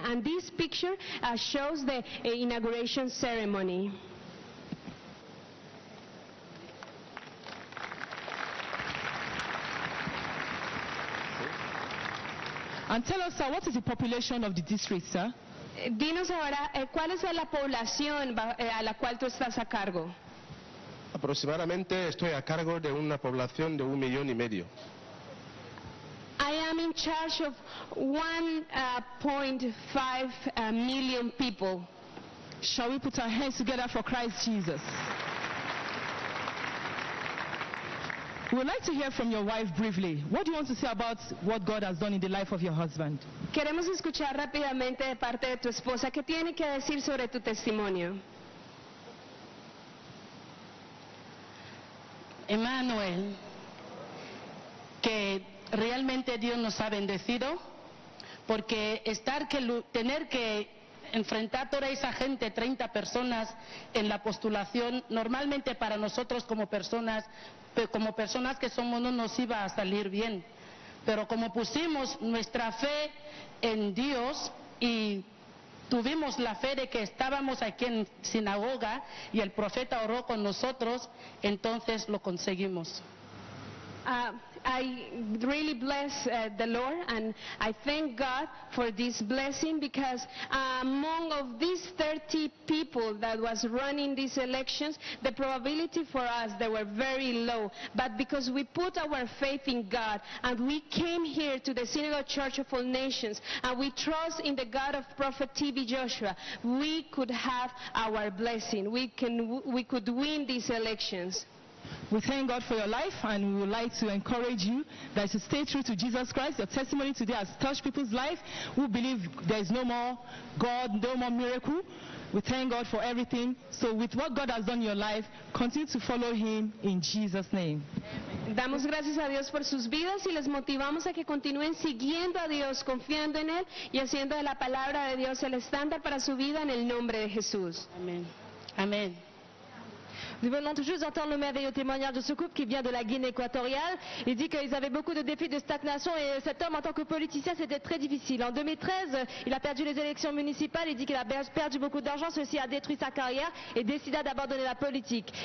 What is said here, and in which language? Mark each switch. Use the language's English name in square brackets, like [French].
[English] And this picture shows the inauguration ceremony. And tell us, sir, what is the population of the district, sir? [Spanish] Dinos ahora, ¿cuál es la población a la cual tú estás a cargo? Aproximadamente estoy a cargo de una población de 1.5 million. [English] I am in charge of 1.5 million people. Shall we put our hands together for Christ Jesus? We'd like to hear from your wife briefly. What do you want to say about what God has done in the life of your husband? [Spanish] Queremos escuchar rápidamente de parte de tu esposa qué tiene que decir sobre tu testimonio. Emmanuel, que realmente Dios nos ha bendecido, porque tener que enfrentar toda esa gente, 30 personas en la postulación, normalmente para nosotros como personas que somos no nos iba a salir bien, pero como pusimos nuestra fe en Dios y tuvimos la fe de que estábamos aquí en sinagoga y el profeta oró con nosotros, entonces lo conseguimos. [English] I really bless the Lord, and I thank God for this blessing, because among of these 30 people that was running these elections, the probability for us, they were very low. But because we put our faith in God, and we came here to the Synagogue Church of All Nations, and we trust in the God of Prophet T.B. Joshua, we could have our blessing. We could win these elections. We thank God for your life, and we would like to encourage you that you stay true to Jesus Christ. Your testimony today has touched people's life. We believe there is no more God, no more miracle. We thank God for everything. So with what God has done in your life, continue to follow him in Jesus' name. [Spanish] Damos gracias a Dios por sus vidas y les motivamos a que continúen siguiendo a Dios, confiando en él y haciendo de la palabra de Dios el estándar para su vida en el nombre de Jesús. Amen. Amen. [French] Nous venons tout juste d'entendre le merveilleux témoignage de ce couple qui vient de la Guinée équatoriale. Il dit qu'ils avaient beaucoup de défis de stagnation et cet homme, en tant que politicien, c'était très difficile. En 2013, il a perdu les élections municipales. Il dit qu'il a perdu beaucoup d'argent. Ceci a détruit sa carrière et décida d'abandonner la politique.